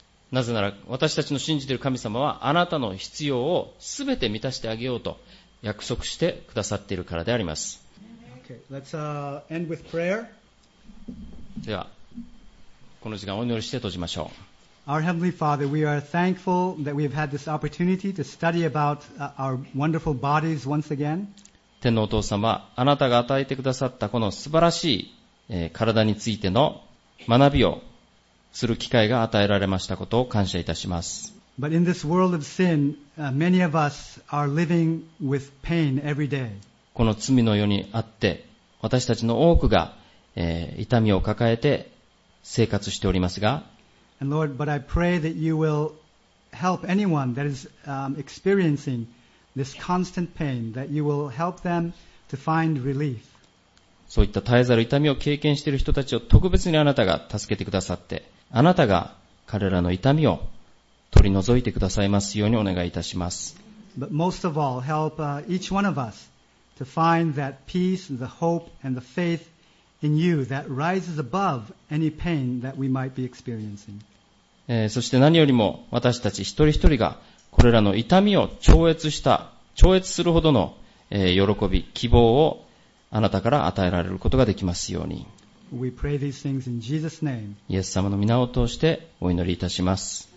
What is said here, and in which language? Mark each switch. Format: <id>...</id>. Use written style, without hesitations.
<ja>なぜなら私たちの信じている神様はあなたの必要をすべて満たしてあげようと約束してくださっているからであります。</ja> <en>okay, let's, end with prayer.</en> <ja>ではこの時間お祈りして閉じましょう。</ja> <en>Our Heavenly Father, we are thankful that we have had this opportunity to study about our wonderful bodies once again.</en> <ja>天のお父様、あなたが与えてくださったこの素晴らしい体についての学びをする機会が与えられましたことを感謝いたします。</ja> <en>But in this world of sin, many of us are living with pain every day.</en> <ja>この罪の世にあって、私たちの多くが痛みを抱えて生活しておりますが、</ja> <en>And Lord, but I pray that you will help anyone that is experiencing this constant pain, that you will help them to find relief.</en> <ja>そういった絶えざる痛みを経験している人たちを特別にあなたが助けてくださって、あなたが彼らの痛みを取り除いてくださいますようにお願いいたします。</ja> <en>But most of all, help each one of us to find that peace, the hope, and the faith in you that rises above any pain that we might be experiencing.</en> <ja>そして何よりも私たち一人一人がこれらの痛みを超越するほどの喜び、希望をあなたから与えられることができますように。</ja> <en>We pray these things in Jesus' name.</en> <ja>イエス様の御名を通してお祈りいたします。</ja>